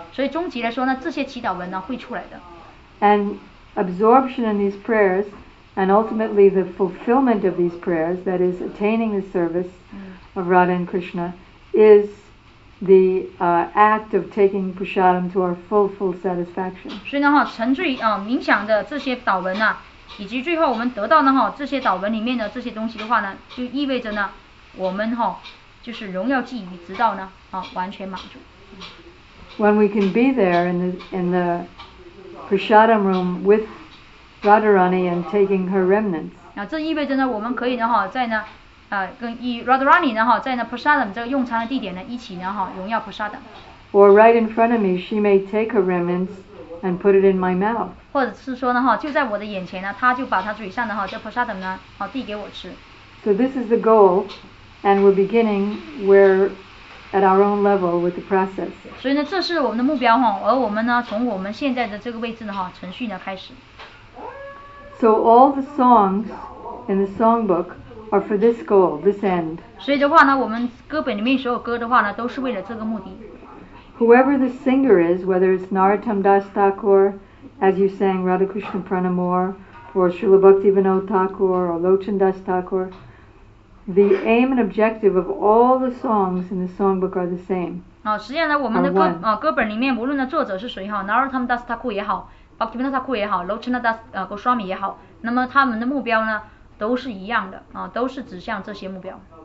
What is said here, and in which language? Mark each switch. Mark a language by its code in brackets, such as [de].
[zh] 所以终极来说呢，这些祈祷文呢会出来的。 [en] And absorption in these prayers, and ultimately the fulfillment of these prayers, that is attaining the service of Radha and Krishna, is. The act of taking prasadam to our full satisfaction. [zh] 所以呢哈，沉醉啊冥想的这些祷文呐、啊，以及最后我们得到呢哈这些祷文里面的这些东西的话呢，就意味着呢，我们哈就是荣耀寄予，直到呢啊完全满足。 [en] When we can be there in the prasadam room with Radharani and taking her remnants. [zh] 啊，这意味着呢，我们可以呢哈在呢。跟以 Radharani 呢哈，在那 Prasadam 这个用餐的地点呢，一起呢哈，荣耀 Prasadam。 [en] Or right in front of me, she may take her remnants and put it in my mouth。 [zh] 或者是说呢哈，就在我的眼前呢，她就把她嘴上的哈这 Prasadam 呢，好递给我吃。 [en] So this is the goal, and we're beginning where at our own level with the process。 [zh] 所以呢，这是我们的目标哈，而我们呢，从我们现在的这个位置呢哈，程序呢开始。 [en] So all the songs in the songbook. Or for this goal, this end. [zh] 所以的话呢，我们歌本里面所有歌的话呢，都是为了这个目的。 [en] Whoever the singer is, whether it's Narottam Das Thakur, as you sang Radha Krishna Pranamore, or Srila Bhakti Vinod Thakur, or Lochan Das Thakur, the aim and objective of all the songs in the songbook are the same. [zh] 实际上呢，我们的歌本里面，无论的作者是谁哈 ，Narottam Das Thakur 也好 ，Bhakti Vinod Thakur 也好 ，Lochan Das Goswami 也好，那么他们的目标呢，都是一样的啊，都是指向这些目标。